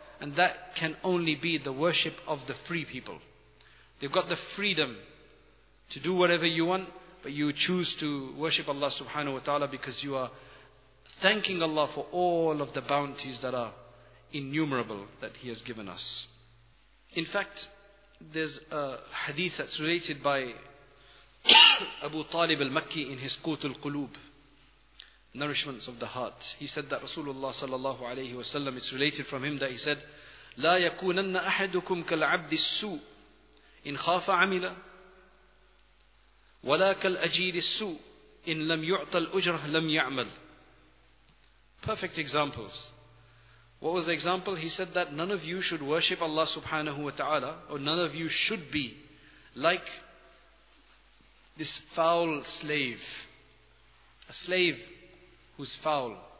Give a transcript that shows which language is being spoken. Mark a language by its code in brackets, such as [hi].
[en] And that can only be the worship of the free people. They've got the freedom to do whatever you want, but you choose to worship Allah subhanahu wa ta'ala because you are thanking Allah for all of the bounties that are innumerable that He has given us. In fact, there's a hadith that's related by Abu Talib al-Makki in his Qut al-Qulub, Nourishments of the Heart. He said that Rasulullah sallallahu alayhi wa sallam, it's related from him that he said, [ar] لا يكونن أحدكم كالعبد السوء إن خاف عمله ولا كالأجير السوء إن لم يعط الأجر لم يعمل. [en] Perfect examples. What was the example? He said that none of you should worship Allah subhanahu wa ta'ala, or none of you should be like this foul slave. A slave who's foul.